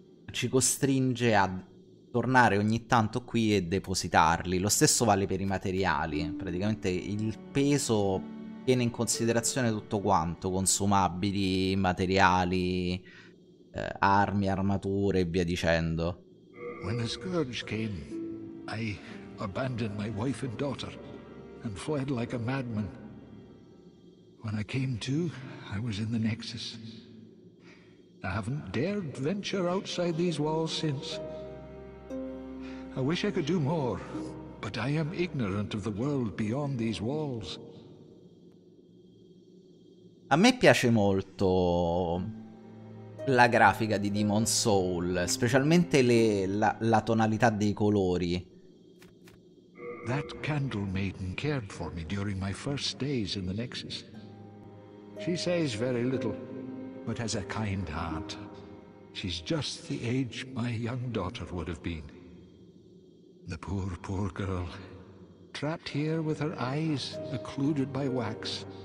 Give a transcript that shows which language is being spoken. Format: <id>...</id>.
<it>Ci costringe a tornare ogni tanto qui e depositarli. Lo stesso vale per i materiali. Praticamente il peso tiene in considerazione tutto quanto, consumabili, materiali, armi, armature e via dicendo.</it> <en>When the scourge came, I abbandoned my wife and daughter and fled like a madman. When I came to, I was in the Nexus. I haven't dared venture outside these walls since. I wish I could do more, but I am ignorant of the world beyond these walls.</en> <it>A me piace molto la grafica di Demon's Soul, specialmente la tonalità dei colori.</it> <en>That candle maiden cared for me during my first days in the Nexus. She says very little, but has a kind heart. She's just the age my young daughter would have been. The poor, poor girl, trapped here with her eyes occluded by wax.</en>